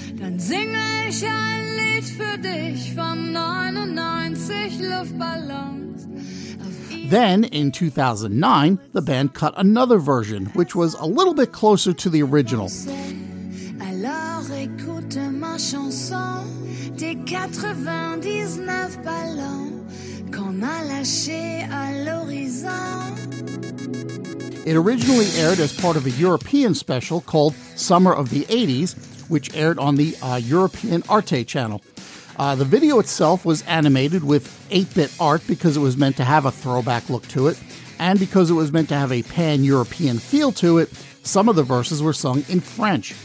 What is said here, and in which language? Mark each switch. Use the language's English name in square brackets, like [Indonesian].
[German] Dann singe ich ein Lied für dich von 99 Luftballons. [English] Then, in 2009, the band cut another version, which was a little bit closer to the original. [French] Alors écoute ma chanson, des 99 ballons qu'on a lâchés à l'horizon. [English] It originally aired as part of a European special called Summer of the 80s, which aired on the European Arte channel. The video itself was animated with 8-bit art because it was meant to have a throwback look to it, and because it was meant to have a pan-European feel to it, some of the verses were sung in French.